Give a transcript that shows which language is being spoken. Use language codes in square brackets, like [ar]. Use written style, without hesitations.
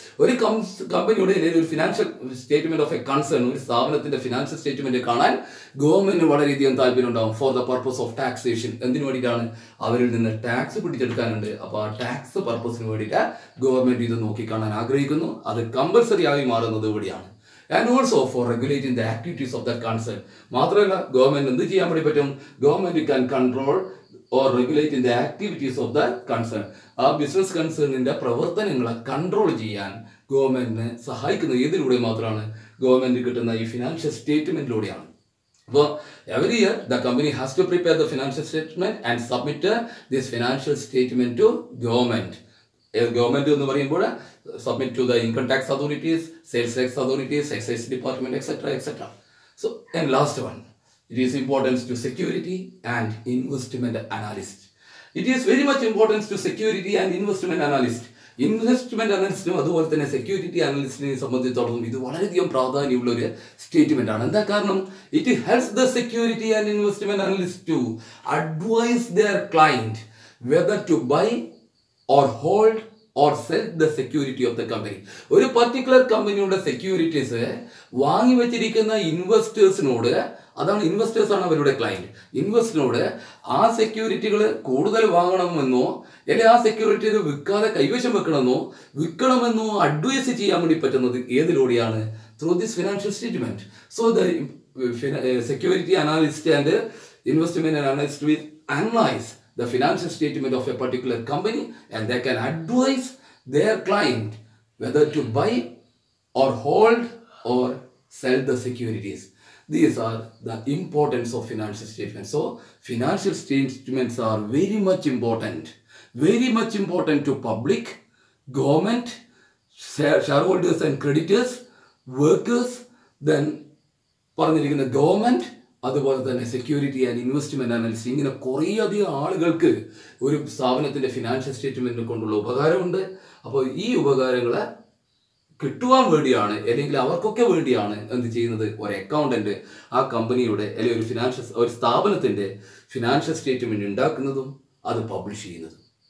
[ml] ഒരു കമ്പനിയുടെ അല്ലെങ്കിൽ ഒരു financial statement of A concern, ഒരു സ്ഥാപനത്തിന്റെ ഫിനാൻഷ്യൽ സ്റ്റേറ്റ്മെന്റ് കാണാൻ ഗവൺമെന്റിന് വളരെയധികം താല്പര്യം ഉണ്ടാവും. [en] for the purpose of taxation, [ml] എന്തിനു വേണ്ടിയിട്ടാണ്? അവരിൽ നിന്ന് ടാക്സ് പിടിച്ചെടുക്കാനുണ്ട്. അപ്പോൾ ആ ടാക്സ് പർപ്പസിന് വേണ്ടിയിട്ട് ഗവൺമെന്റ് ഇത് നോക്കിക്കാണാൻ ആഗ്രഹിക്കുന്നു. അത് കമ്പൽസറി ആയി മാറുന്നത് കൂടിയാണ്. [en] And also for regulating the activities of that concern. [ml] മാത്രമല്ല, ഗവൺമെന്റ് എന്ത് ചെയ്യാൻ വേണ്ടി പറ്റും? [en] Government can control or regulate in the activities of the concern. [ml] ആ ബിസിനസ് കൺസേണിന്റെ പ്രവർത്തനങ്ങളെ കൺട്രോൾ ചെയ്യാൻ ഗവൺമെന്റിന് സഹായിക്കുന്ന ഏതിലൂടെ മാത്രമാണ്? ഗവൺമെന്റ് കിട്ടുന്ന ഈ ഫിനാൻഷ്യൽ സ്റ്റേറ്റ്മെന്റിലൂടെയാണ്. [en] അപ്പോൾ every year the company has to prepare the financial statement and submit this financial statement to government. Government [ml] എന്ന് പറയുമ്പോൾ [en] Submit to the income tax authorities, sales tax authorities, excise department etcetera. So and last one, It is importance to security and investment analyst. It is very much importance to security and investment analyst. [ml] Investment അനലിസ്റ്റിനും അതുപോലെ തന്നെ security അനലിസ്റ്റിനെ സംബന്ധിച്ചിടത്തോളം ഇത് വളരെയധികം പ്രാധാന്യമുള്ള ഒരു statement ആണ്. എന്താ കാരണം? [en] It helps the security and investment analyst to advise their client whether to buy or hold or sell the security of the company. [ml] ഒരു പർട്ടിക്കുലർ കമ്പനിയുടെ സെക്യൂരിറ്റീസ് വാങ്ങി വെച്ചിരിക്കുന്ന ഇൻവെസ്റ്റേഴ്സിനോട്, അതാണ് ഇൻവെസ്റ്റേഴ്സ് ആണ് അവരുടെ ക്ലയന്റ്, ഇൻവെസ്റ്റിനോട് ആ സെക്യൂരിറ്റികൾ കൂടുതൽ വാങ്ങണമെന്നോ അല്ലെങ്കിൽ ആ സെക്യൂരിറ്റികൾ വിൽക്കാതെ കൈവശം വെക്കണമെന്നോ വിൽക്കണമെന്നോ അഡ്വൈസ് ചെയ്യാൻ വേണ്ടി പറ്റുന്നത് ഏതിലൂടെയാണ്? [en] Through this financial statement. So the security analyst and investment analyst will analyse the financial statement of a particular company and they can advise their client whether to buy or hold or sell the securities. These are the importance of financial statements. So, financial statements are very much important. Very much important to public, government, shareholders and creditors, workers, then [ml] പറഞ്ഞിരിക്കുന്ന [en] government, [ml] അതുപോലെ തന്നെ [en] security and investment analysis. [ml] ഇങ്ങനെ കുറേയധികം ആളുകൾക്ക് ഒരു സ്ഥാപനത്തിൻ്റെ financial സ്റ്റേറ്റ്മെൻറ്റിനെ കൊണ്ടുള്ള ഉപകാരമുണ്ട്. അപ്പോൾ ഈ ഉപകാരങ്ങൾ കിട്ടുവാൻ വേണ്ടിയാണ് അല്ലെങ്കിൽ അവർക്കൊക്കെ വേണ്ടിയാണ് എന്ത് ചെയ്യുന്നത്? ഒരു അക്കൗണ്ടൻ്റ് ആ കമ്പനിയുടെ അല്ലെങ്കിൽ ഒരു ഫിനാൻഷ്യൽ ഒരു സ്ഥാപനത്തിൻ്റെ ഫിനാൻഷ്യൽ സ്റ്റേറ്റ്മെൻറ്റ് ഉണ്ടാക്കുന്നതും അത് പബ്ലിഷ് ചെയ്യുന്നതും.